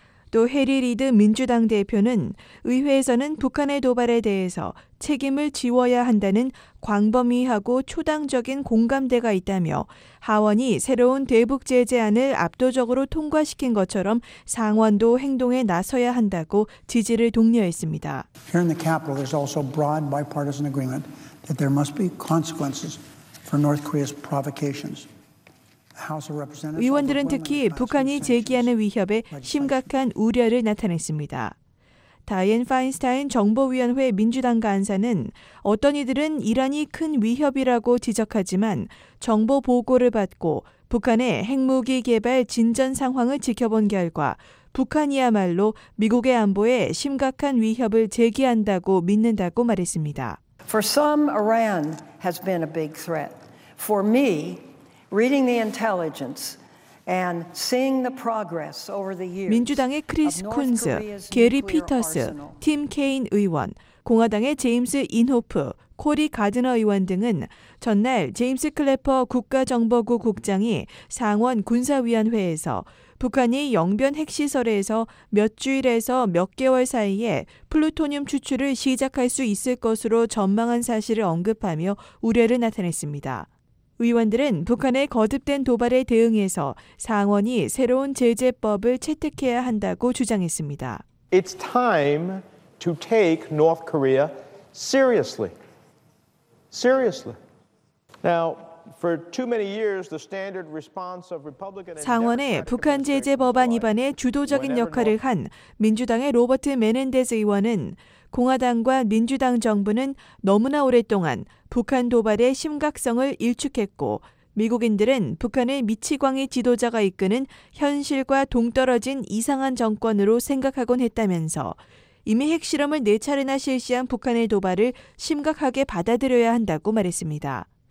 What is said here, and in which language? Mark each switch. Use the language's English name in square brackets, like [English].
[Korean] 또 해리 리드 민주당 대표는 의회에서는 북한의 도발에 대해서 책임을 지워야 한다는 광범위하고 초당적인 공감대가 있다며 하원이 새로운 대북 제재안을 압도적으로 통과시킨 것처럼 상원도 행동에 나서야 한다고 지지를 독려했습니다. [English] Here in the capital, there's also broad bipartisan agreement that there must be consequences for North Korea's provocations. [Korean] 의원들은 특히 북한이 제기하는 위협에 심각한 우려를 나타냈습니다. 다이앤 파인스타인 정보위원회 민주당 간사는 어떤 이들은 이란이 큰 위협이라고 지적하지만 정보 보고를 받고 북한의 핵무기 개발 진전 상황을 지켜본 결과 북한이야말로 미국의 안보에 심각한 위협을 제기한다고 믿는다고 말했습니다. [English] For some, Iran has been a big threat. For me, reading the intelligence and seeing the progress over the years. [Korean] 민주당의 크리스 쿤즈, 게리 피터스, 팀 케인 의원, 공화당의 제임스 인호프, 코리 가드너 의원 등은 전날 제임스 클래퍼 국가정보국 국장이 상원 군사위원회에서 북한이 영변 핵시설에서 몇 주일에서 몇 개월 사이에 플루토늄 추출을 시작할 수 있을 것으로 전망한 사실을 언급하며 우려를 나타냈습니다. 의원들은 북한의 거듭된 도발에 대응해서 상원이 새로운 제재법을 채택해야 한다고 주장했습니다. [English] It's time to take North Korea seriously. Seriously. Now, for too many years, the standard response of Republican [Korean] 상원의 북한 제재 법안 위반에 주도적인 역할을 한 민주당의 로버트 메넨데스 의원은 공화당과 민주당 정부는 너무나 오랫동안 북한 도발의 심각성을 일축했고 미국인들은 북한의 미치광이 지도자가 이끄는 현실과 동떨어진 이상한 정권으로 생각하곤 했다면서 이미 핵실험을 네 차례나 실시한 북한의 도발을 심각하게 받아들여야 한다고 말했습니다.